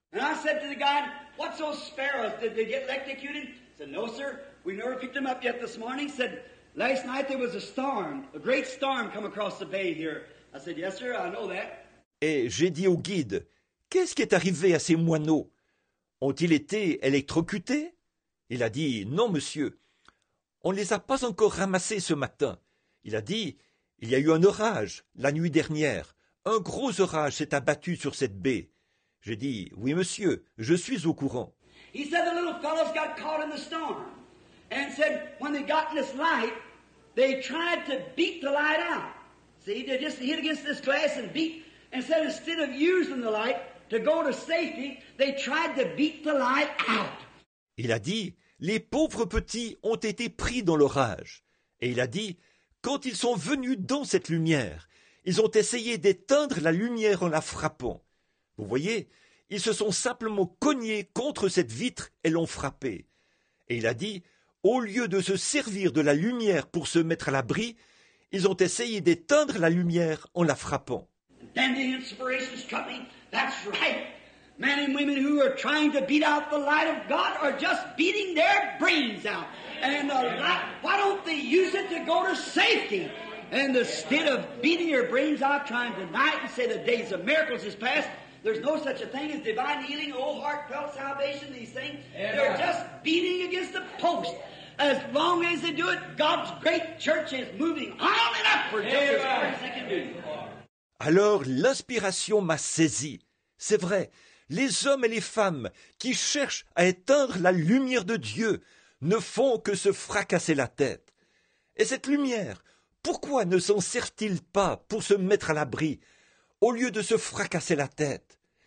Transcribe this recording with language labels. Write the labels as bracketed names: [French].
[English] And I said to the guide, what's those sparrows? Did they get electrocuted? He said, no, sir. We never picked them up yet this morning. He said, last night there was a storm, a great storm come across the bay here. I said, yes, sir, I know that. [French] Et j'ai dit au guide, qu'est-ce qui est arrivé à ces moineaux? Ont-ils été électrocutés? Il a dit, non, monsieur. On ne les a pas encore ramassés ce matin. Il a dit, il y a eu un orage la nuit dernière. Un gros orage s'est abattu sur cette baie. J'ai dit, oui, monsieur, je suis au courant. [English] He said the little fellows got caught in the storm. And said, when they got this light, they tried to beat the light out. See, they just hit against this glass and beat. And said, instead of using the light to go to safety, they tried to beat the light out. [French] Il a dit, les pauvres petits ont été pris dans l'orage. Et il a dit, quand ils sont venus dans cette lumière, ils ont essayé d'éteindre la lumière en la frappant. Vous voyez, ils se sont simplement cognés contre cette vitre et l'ont frappé. Et il a dit, au lieu de se servir de la lumière pour se mettre à l'abri, ils ont essayé d'éteindre la lumière en la frappant. [English] Then the inspiration's coming. That's right. Men and women who are trying to beat out the light of God are just beating their brains out. And the light, why don't they use it to go to safety? And instead of beating your brains out, trying to deny it and say the days of miracles is past, there's no such a thing as divine healing, old heartfelt salvation, these things. Yeah. They're just beating against the post. As long as they do it, God's great church is moving on and upward, yeah, just as far as they can do. [French] Alors, l'inspiration m'a saisi. C'est vrai, les hommes et les femmes qui cherchent à éteindre la lumière de Dieu ne font que se fracasser la tête. Et cette lumière, pourquoi ne s'en servent-ils pas pour se mettre à l'abri, au lieu de se fracasser la tête?